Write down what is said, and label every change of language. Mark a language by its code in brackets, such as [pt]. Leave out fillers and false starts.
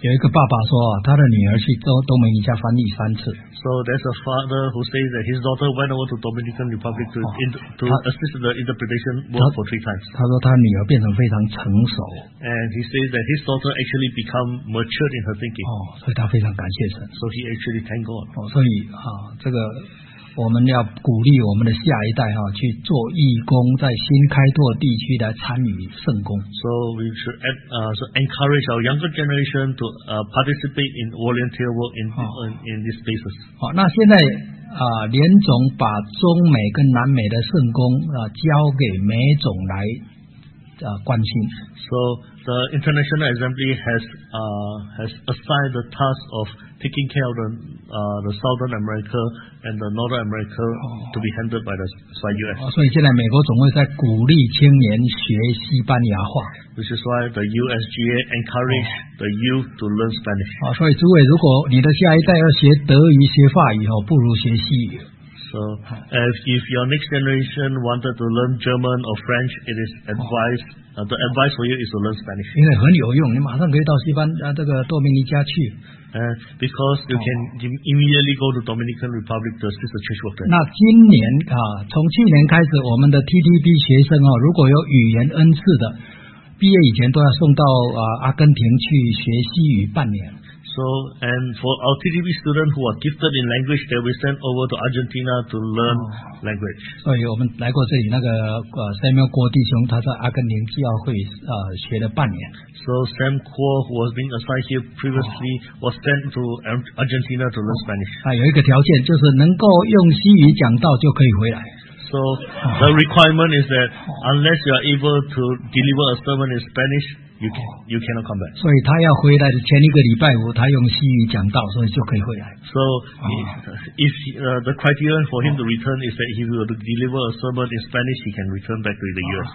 [zh] 有一个爸爸说，他的女儿去多米尼加翻译三次。 [en] So there's a father who says that his daughter went over to Dominican Republic to assist the interpretation work for three times. [zh] 他说他女儿变成非常成熟。 [en] And he says that his daughter actually become matured in her thinking. [zh] 所以他非常感谢神。 [en] So he actually thank God. [zh] 所以这个我们要鼓励我们的下一代去做义工，在新开拓地区来参与圣工。 [en] So we should so encourage our younger generation to participate in volunteer work in these places. [zh] 那现在联总把中美跟南美的圣工交给美总来关心。 [en] So the International Assembly has assigned the task of taking care of the Southern America and the Northern America to be handled by the U.S. [zh] 所以现在美国总会在鼓励青年学西班牙话。 [en] Which is why the USGA encourage the youth to learn Spanish. [zh] 所以诸位，如果你的下一代要学德语、学法语，不如学西语。 [en] So if your next generation wanted to learn German or French, it is advised. The advice for you is to learn Spanish. [zh] 因为很有用，你马上可以到西班牙这个多米尼加去。 [en] Because you can immediately go to Dominican Republic to assist the church work there. [zh] 那今年啊，从去年开始，我们的 TTB 学生啊，如果有语言恩赐的，毕业以前都要送到啊阿根廷去学西语半年。 [en] So and for our TTB students who are gifted in language, they will send over to Argentina to learn language. [zh] 所以我们来过这里，那个Samuel Kuo弟兄他在阿根廷教会学了半年。 [en] So Sam Kuo, who was being assigned here previously, was sent to Argentina to learn Spanish. [zh] 啊，有一个条件就是能够用西语讲道就可以回来。 [en] So the requirement is that unless you are able to deliver a sermon in Spanish, you cannot come back. [zh] 所以他要回来的前一个礼拜五，他用西语讲道，所以就可以回来。 [en] So if the criterion for him to return is that he will deliver a sermon in Spanish, he can return back to the U.S.